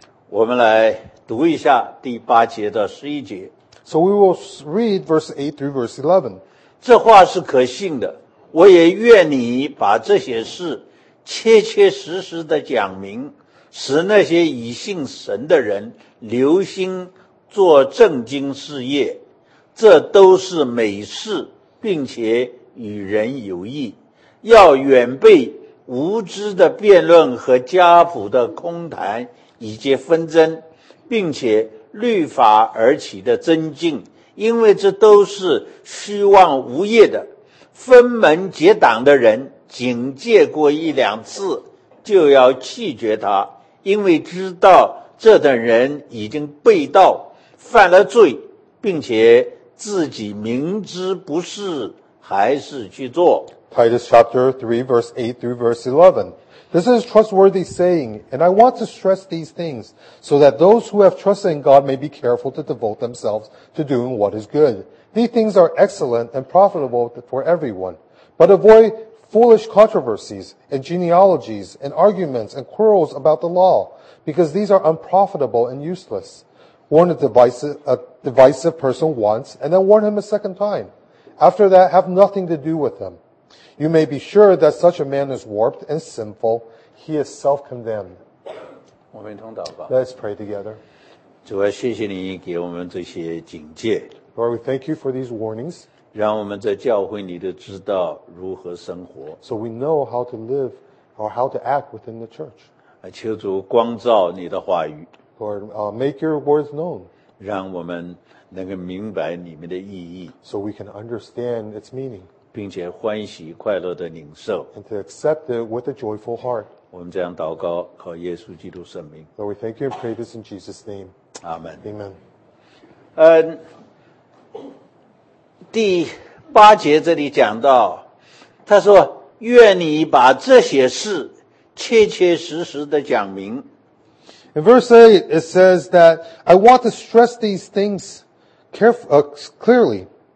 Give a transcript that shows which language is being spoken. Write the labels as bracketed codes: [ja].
[zh] 我们来读一下第八节到十一节。 [en] So we will read verse 8 through verse 11. [zh] 这话是可信的，我也愿你把这些事切切实实地讲明，使那些以信神的人留心做正经事业，这都是美事，并且与人有益，要远备无知的辩论和家谱的空谈以及纷争，并且律法而起的增进，因为这都是虚妄无益的。分门结党的人警戒过一两次就要弃绝他，因为知道这等人已经被盗犯了罪，并且自己明知不是还是去做。 [en] Titus chapter 3 verse 8 through verse 11. This is a trustworthy saying, and I want to stress these things so that those who have trusted in God may be careful to devote themselves to doing what is good. These things are excellent and profitable for everyone. But avoid foolish controversies and genealogies and arguments and quarrels about the law, because these are unprofitable and useless. Warn a divisive person once, and then warn him a second time. After that, have nothing to do with him. You may be sure that such a man is warped and sinful. He is self-condemned. Let's pray together. [zh] 主啊，谢谢你给我们这些警戒。 [en] Lord, we thank you for these warnings. [zh] 让我们在教会里都知道如何生活。 [en] So we know how to live or how to act within the church. [zh] 求主光照你的话语。 [en] Lord, make your words known. [zh] 让我们能够明白里面的意义。 [en] So we can understand its meaning. [zh] 并且欢喜快乐的领受。 [en] And to accept it with a joyful heart. [zh] 我们这样祷告，靠耶稣基督圣名。 [en] Lord, we thank you and pray this in Jesus' name. Amen. Amen. [zh] 第八节这里讲到，他说：“愿你把这些事切切实实的讲明。” [en] In verse 8, it says that I want to stress these things clearly.